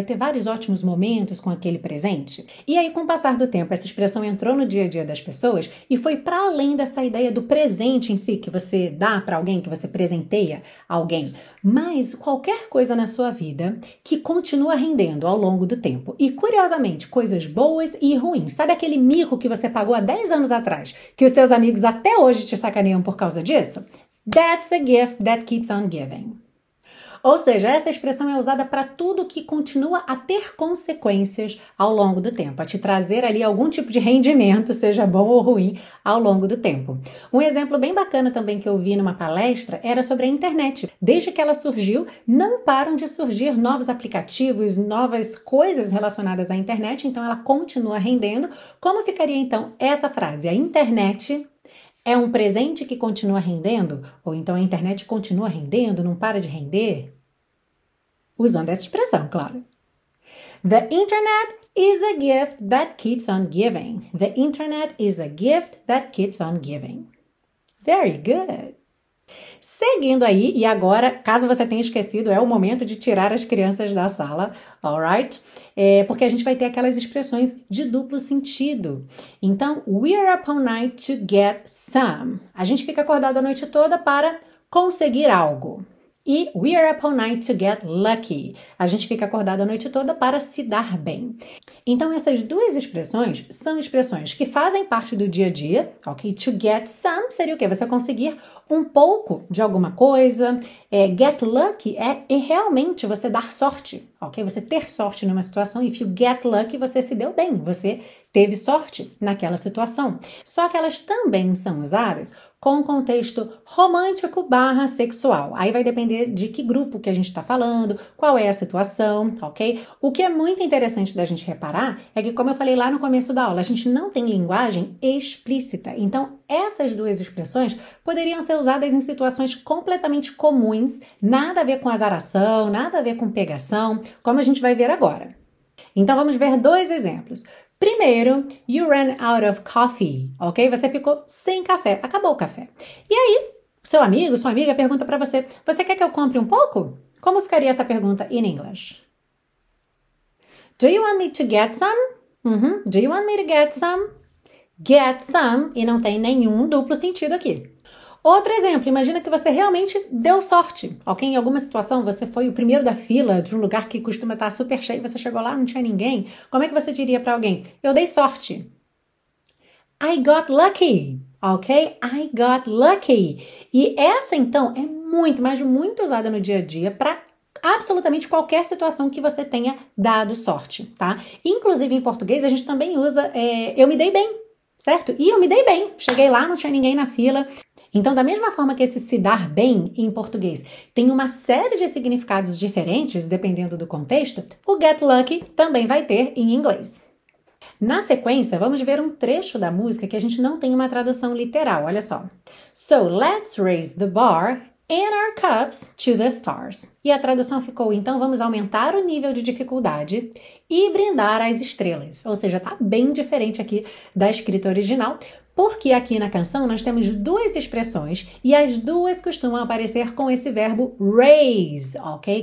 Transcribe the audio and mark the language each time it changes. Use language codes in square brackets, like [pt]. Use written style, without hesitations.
[pt] Vai ter vários ótimos momentos com aquele presente. E aí, com o passar do tempo, essa expressão entrou no dia a dia das pessoas e foi para além dessa ideia do presente em si, que você dá para alguém, que você presenteia alguém. Mas qualquer coisa na sua vida que continua rendendo ao longo do tempo. E curiosamente, coisas boas e ruins. Sabe aquele mico que você pagou há 10 anos atrás, que os seus amigos até hoje te sacaneiam por causa disso? [en] That's a gift that keeps on giving. [pt] Ou seja, essa expressão é usada para tudo que continua a ter consequências ao longo do tempo, a te trazer ali algum tipo de rendimento, seja bom ou ruim, ao longo do tempo. Um exemplo bem bacana também que eu vi numa palestra era sobre a internet. Desde que ela surgiu, não param de surgir novos aplicativos, novas coisas relacionadas à internet, então ela continua rendendo. Como ficaria então essa frase? A internet é um presente que continua rendendo? Ou então a internet continua rendendo, não para de render? Usando essa expressão, claro. [en] The internet is a gift that keeps on giving. The internet is a gift that keeps on giving. Very good. [pt] Seguindo aí, e agora, caso você tenha esquecido, é o momento de tirar as crianças da sala, alright? Porque a gente vai ter aquelas expressões de duplo sentido. Então, [en] we're up all night to get some. [pt] A gente fica acordado a noite toda para conseguir algo. E [en] we're up all night to get lucky. [pt] A gente fica acordado a noite toda para se dar bem. Então, essas duas expressões são expressões que fazem parte do dia a dia, ok? [en] To get some [pt] seria o quê? Você conseguir um pouco de alguma coisa. Get lucky é realmente você dar sorte, ok? Você ter sorte numa situação. [en] If you get lucky, [pt] você se deu bem, você teve sorte naquela situação. Só que elas também são usadas com contexto romântico barra sexual. Aí vai depender de que grupo que a gente está falando, qual é a situação, ok? O que é muito interessante da gente reparar é que, como eu falei lá no começo da aula, a gente não tem linguagem explícita. Então, essas duas expressões poderiam ser usadas em situações completamente comuns, nada a ver com azaração, nada a ver com pegação, como a gente vai ver agora. Então, vamos ver dois exemplos. Primeiro, [en] you ran out of coffee, ok? [pt] Você ficou sem café, acabou o café. E aí, seu amigo, sua amiga pergunta pra você, você quer que eu compre um pouco? Como ficaria essa pergunta [en] in English? Do you want me to get some? Uhum. Do you want me to get some? [pt] Get some, e não tem nenhum duplo sentido aqui. Outro exemplo, imagina que você realmente deu sorte, ok? Em alguma situação você foi o primeiro da fila de um lugar que costuma estar super cheio, você chegou lá e não tinha ninguém. Como é que você diria para alguém? Eu dei sorte. [en] I got lucky, [pt] ok? [en] I got lucky. [pt] E essa, então, é muito, mas muito usada no dia a dia para absolutamente qualquer situação que você tenha dado sorte, tá? Inclusive, em português, a gente também usa eu me dei bem, certo? E eu me dei bem. Cheguei lá, não tinha ninguém na fila. Então, da mesma forma que esse se dar bem em português tem uma série de significados diferentes, dependendo do contexto, o get lucky também vai ter em inglês. Na sequência, vamos ver um trecho da música que a gente não tem uma tradução literal, olha só. [en] So, let's raise the bar and our cups to the stars. [pt] E a tradução ficou, então, vamos aumentar o nível de dificuldade e brindar às estrelas. Ou seja, tá bem diferente aqui da escrita original, porque aqui na canção nós temos duas expressões e as duas costumam aparecer com esse verbo raise, ok?